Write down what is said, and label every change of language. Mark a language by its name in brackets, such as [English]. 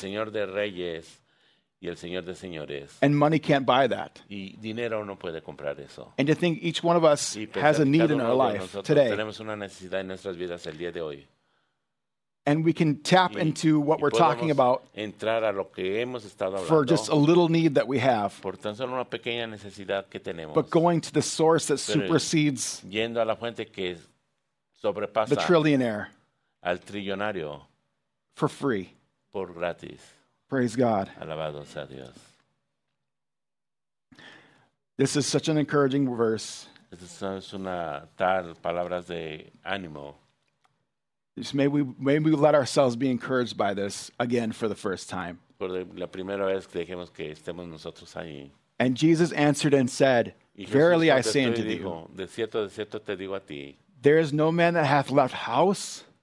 [Spanish] con el Señor de Reyes y el Señor de Señores. [English] And money can't buy that. [Spanish] Y dinero no puede comprar eso. [English] And to think each one of us has a need in our life today. [Spanish] Tenemos una necesidad en nuestras vidas el día de hoy. [English] And we can tap into what we're talking about [Spanish] entrar a lo que hemos estado hablando, [English] for just a little need that we have. [Spanish] Por tan solo una pequeña necesidad que tenemos. [English] But going to the source that supersedes [Spanish] yendo a la fuente que sobrepasa [English] the trillionaire [Spanish] al trillonario [English] for free. [Spanish] Por gratis. [English] Praise God. [Spanish] Alabado sea Dios. [English] This is such an encouraging verse. [Spanish] Esta es una tal palabras de ánimo. [English] May we let ourselves be encouraged by this again for the first time. [Spanish] Por la primera vez que dejemos que estemos nosotros ahí. [English] And Jesus answered and said, Verily I say unto thee, [Spanish] de cierto te digo a ti, [English] there is no man that hath left house,